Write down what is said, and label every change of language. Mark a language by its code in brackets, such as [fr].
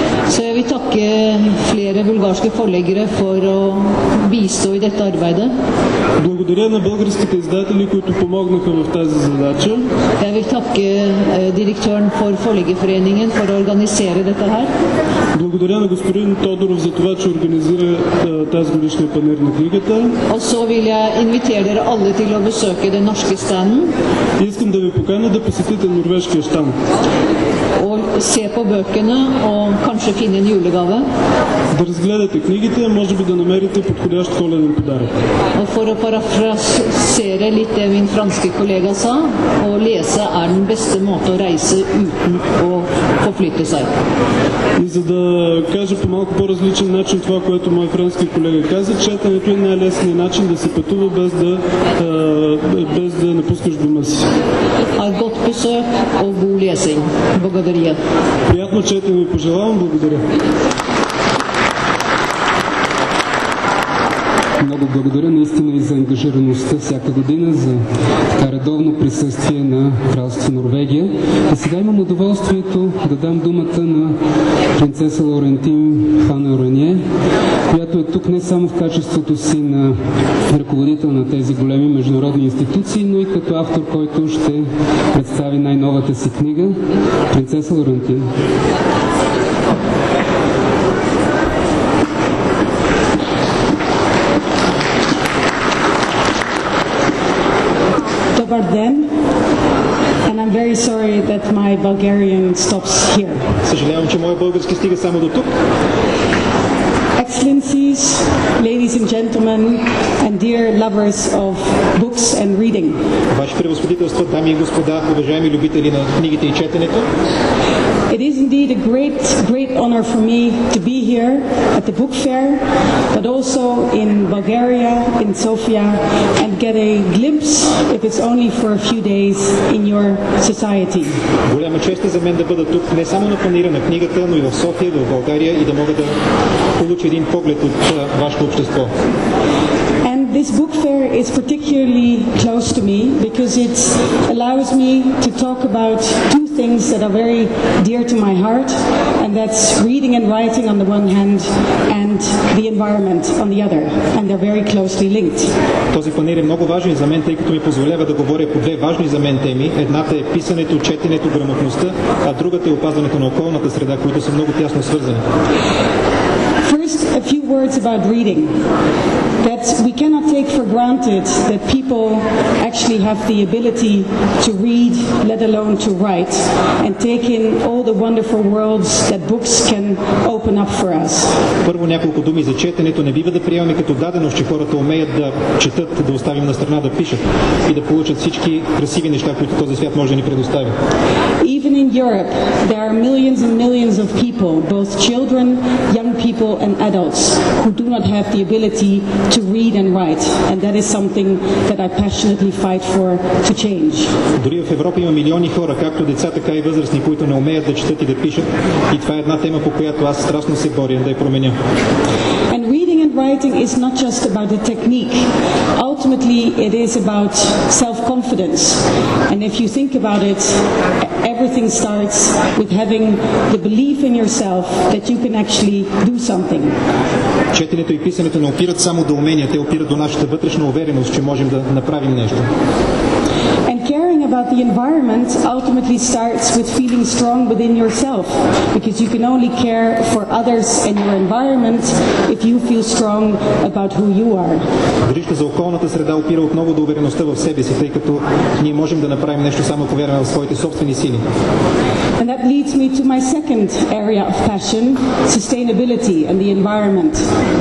[no] Så jeg vil takke flere bulgarske forleggere for å bistå i dette arbeidet. [bg] Благодаря на българските издатели, които помогнаха в тази задача. [no] Jeg vil takke direktøren for forleggerforeningen for å organisere dette her. [bg] Благодаря на господин Тодоров за това, че организира тази годишния панаир на книгата. [no] Og så vil jeg invitere dere alle til å besøke den norske standen. [bg] Искам да ви поканя да посетите норвежкия штанд. [no] Og se på bøkene og kanskje finne en julegave? [bg] Да разгледате книгите, може би да намерите подходящ коледен подарък. [no] Og for å parafrasere litt det min franske kollega sa, å lese den beste måte å reise uten å forflytte seg. [bg] И за да кажа по малко по-различен начин това, което мой френски колега каза, четенето е най-лесният начин да се пътува без да, без да напускаш дома си. [no] Godt besøk og god lesing. [bg] Благодаря. Приятно четене ви пожелавам. Благодаря. Много благодаря наистина и за ангажираността всяка година, за така редовно присъствие на Кралство Норвегия. И сега имам удоволствието да дам думата на принцеса Лорентин Хана Ранье, която е тук не само в качеството си на ръководител на тези големи международни институции, но и като автор, който ще представи най-новата си книга. Принцеса Лорентин. [en] Then, and I'm very sorry that my Bulgarian stops here. [bg] Съжалявам, че моят български стига само до тук. [en] Excellencies, ladies and gentlemen, and dear lovers of books and reading. [bg] Ваше превъзходителство, дами и господа, уважаеми любители на книгите и четенето. [en] It is indeed a great, great honor for me to be here at the book fair, but also in Bulgaria, in Sofia, and get a glimpse, if it's only for a few days, in your society. [bg] Голяма чест е за мен да бъда тук не само на панаира на книгата, но и в София, в България, и да мога да получа един поглед от вашето общество. [en] This book fair is particularly close to me because it allows me to talk about two things that are very dear to my heart, and that's reading and writing on the one hand and the environment on the other, and they're very closely linked. [bg] Този панаир е много важен за мен, тъй като ми позволява да говоря по две важни за мен теми. Едната е писането, четенето, грамотността, а другата е опазването на околната среда, които са много тясно свързани. [en] First, a few words about reading. That we cannot take for granted that people actually have the ability to read, let alone to write, and take in all the wonderful worlds that books can open up for us. [bg] Първо няколко думи за четенето. Не бива да приемаме като даденост, че хората умеят да четат, да оставим на страна да пишат и да получат всички красиви неща, които този свят може да ни предостави. [en] Even in Europe, there are millions and millions of people, both children, young people and adults, who do not have the ability to read and write, and that is something that I passionately fight for to change. [bg] Дори в Европа има милиони хора, както деца, така и възрастни, които не умеят да четат и да пишат, и това е една тема, по която аз страстно се боря да я променя. [en] And reading and writing is not just about the technique. Ultimately, it is about self-confidence. And if you think about it, everything starts with having the belief in yourself that you can actually do something. [bg] Четенето и писането не опират само до умения, те опират до нашата вътрешна увереност, че можем да направим нещо. [en] And caring about the environment ultimately starts with feeling strong within yourself, because you can only care for others and your environment if you feel strong about who you are. [bg] Грижата за околната среда опира отново до увереността в себе си, тъй като ние можем да направим нещо само ако вярваме в своите собствени сили. [en] And that leads me to my second area of passion, sustainability and the environment.